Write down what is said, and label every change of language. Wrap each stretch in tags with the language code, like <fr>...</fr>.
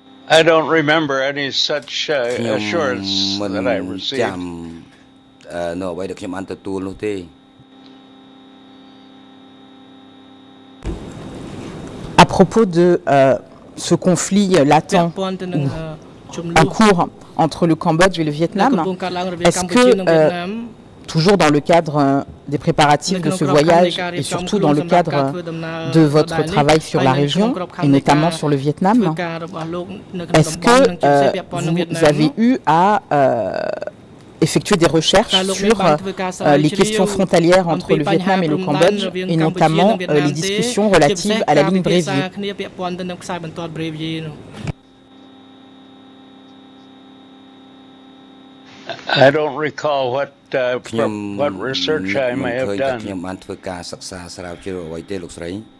<en>I don't remember any such assurance that I received.</en> <fr>À propos de ce conflit latent en cours entre le Cambodge et le Vietnam, est-ce que toujours dans le cadre des préparatifs de ce voyage et surtout dans le cadre de votre travail sur la région et notamment sur le Vietnam, est-ce que vous avez eu à effectuer des recherches sur les questions frontalières entre le Vietnam et le Cambodge et notamment les discussions relatives à la ligne Brévier?</fr> <en>I don't recall what research I may have done.</en> <km>ខ្ញុំបានធ្វើការសិក្សាស្រាវជ្រាវអ្វីទេលោកស្រី?</km>